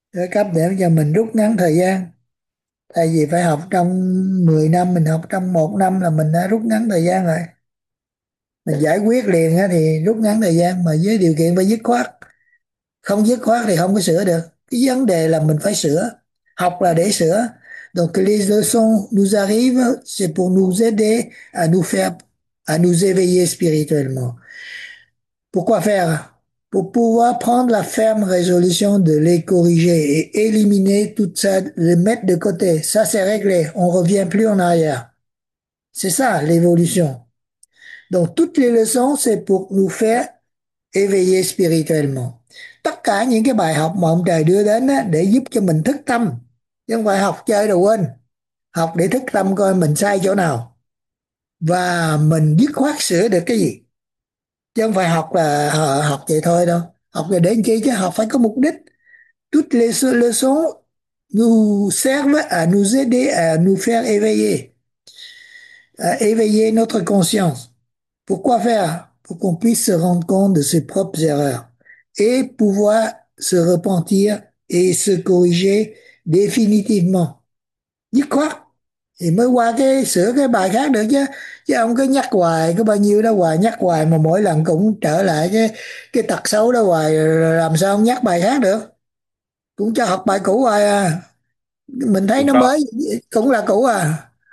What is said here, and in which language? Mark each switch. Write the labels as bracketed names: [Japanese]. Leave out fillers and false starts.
[Vietnamese] cấp để cho mình rút ngắn thời gian, thay vì phải học trong 10 năm mình học trong 1 năm là mình đã rút ngắn thời gian rồi, mình giải quyết liền á thì rút ngắn thời gian, mà với điều kiện phải dứt khoát. Không dứt khoát thì không có sửa được. Cái vấn đề là mình phải sửa, học là để sửa. [French] Donc les leçons nous arrivent c'est pour nous aider à nous faire à nous éveiller spirituellement. Pourquoi faire? Pour pouvoir prendre la ferme résolution de les corriger et éliminer tout ça, les mettre de côté. Ça, c'est réglé. On revient plus en arrière. C'est ça, l'évolution. Donc, toutes les leçons, c'est pour nous faire éveiller spirituellement. [Vietnamese] Tất cả những cái bài học mà ông trời đưa đến á, để giúp cho mình thức tâm. Chứ không phải học chơi đâu quên. Học để thức tâm coi mình sai chỗ nào. Và mình dứt khoát sửa được cái gì. Chứ không phải học là học vậy thôi đâu. Học là để làm chi chứ, học phải có mục đích. [French] Toutes les leçons nous servent à nous aider à nous faire éveiller. Éveiller notre conscience. Pourquoi faire? Pour qu'on puisse se rendre compte de ses propres erreurs et pouvoir se repentir et se corriger définitivement. [Vietnamese] Dứt khoát thì mới qua cái sửa cái bài khác được chứ. Chứ ông cứ nhắc hoài, có bao nhiêu đó hoài, nhắc hoài mà mỗi lần cũng trở lại cái tật xấu đó hoài, làm sao ông nhắc bài khác được. Cũng cho học bài cũ hoài à. Mình thấy nó Có mới cũng là cũ à.